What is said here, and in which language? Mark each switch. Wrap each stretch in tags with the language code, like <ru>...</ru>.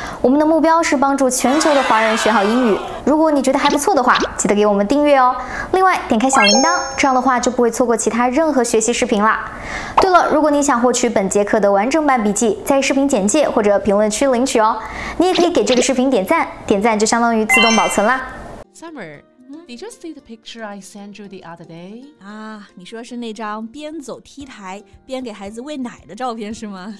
<zh>我们的目标是帮助全球的华人学好英语。如果你觉得还不错的话，记得给我们订阅哦。另外，点开小铃铛，这样的话就不会错过其他任何学习视频啦。对了，如果你想获取本节课的完整版笔记，在视频简介或者评论区领取哦。你也可以给这个视频点赞，点赞就相当于自动保存啦。</zh> <en>Summer, did you see the picture I sent you the other day?</en> <zh>啊，你说是那张边走 T 台边给孩子喂奶的照片是吗？</zh>